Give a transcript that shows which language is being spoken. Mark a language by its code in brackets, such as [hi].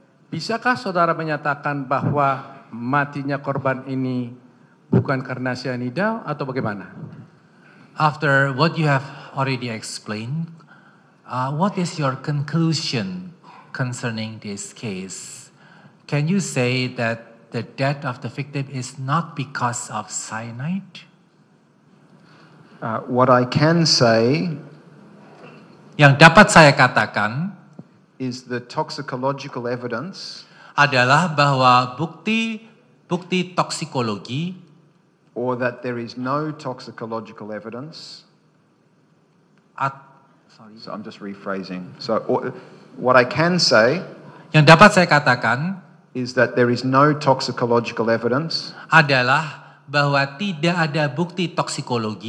[id] Bisakah saudara menyatakan bahwa matinya korban ini bukan karena sianida atau bagaimana? [en] After what you have already explained, what is your conclusion concerning this case? Can you say that the death of the victim is not because of cyanide? What I can say, [id] yang dapat saya katakan, [en] is the toxicological evidence [id] adalah bahwa bukti toksikologi [en] or that there is no toxicological evidence so I'm just rephrasing so what I can say [id] yang dapat saya katakan [en] is that there is no toxicological evidence [id] adalah bahwa tidak ada bukti toksikologi.